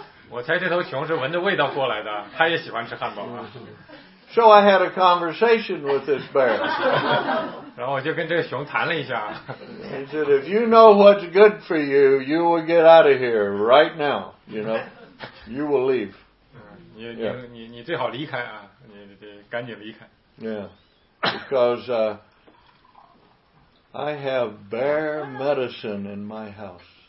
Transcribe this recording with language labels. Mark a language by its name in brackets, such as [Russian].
[Chinese] 我猜这头熊是闻着味道过来的，他也喜欢吃汉堡啊。 [English] So I had a conversation with this bear. [Chinese] 然后我就跟这个熊谈了一下。 [English] He said, if you know what's good for you, you will get out of here right now. You know, you will leave. [Chinese] 你最好离开啊，你得赶紧离开。 [English] Yeah, because I have bear medicine in my house.